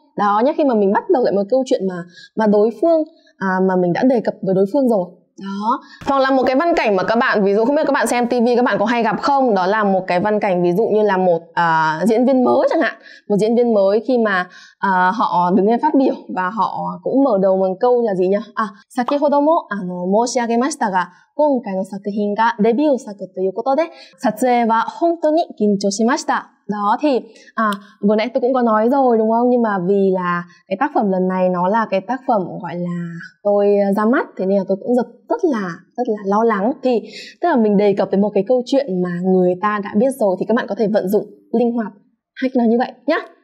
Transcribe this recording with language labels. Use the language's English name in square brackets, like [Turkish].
[Vietnamese] Đó nhá, khi mà mình bắt đầu lại một câu chuyện mà đối phương mà mình đã đề cập với đối phương rồi. Đó, hoặc là một cái văn cảnh mà các bạn, ví dụ không biết các bạn xem TV các bạn có hay gặp không, đó là một cái văn cảnh ví dụ như là một diễn viên mới chẳng hạn, một diễn viên mới khi mà họ đứng lên phát biểu và họ cũng mở đầu bằng câu là gì nhỉ? [Japanese] À, 先ほども申し上げましたが、今回の作品がデビュー作ということで、撮影は本当に緊張しました。 [Vietnamese] Đó thì vừa nãy tôi cũng có nói rồi đúng không, nhưng mà vì là cái tác phẩm lần này nó là cái tác phẩm gọi là tôi ra mắt, thế nên là tôi cũng rất là lo lắng. Thì tức là mình đề cập đến một cái câu chuyện mà người ta đã biết rồi, thì các bạn có thể vận dụng linh hoạt hay nói như vậy nhá.